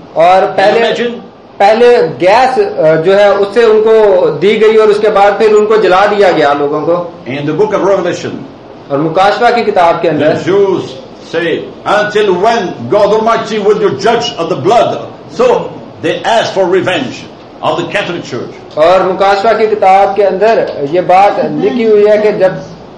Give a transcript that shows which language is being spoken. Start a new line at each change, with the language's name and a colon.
Hindi: और पहले गैस जो है उससे उनको दी गई और उसके बाद फिर उनको जला दिया गया लोगों को.
English: In the book of Revelation.
Hindi: और मुकाशवा की किताब के अंदर.
English: The Jews say, until when God Almighty will you judge of the blood? So they ask for revenge of the Catholic Church.
Hindi: और मुकाशवा की किताब के अंदर ये बात लिखी हुई है कि जब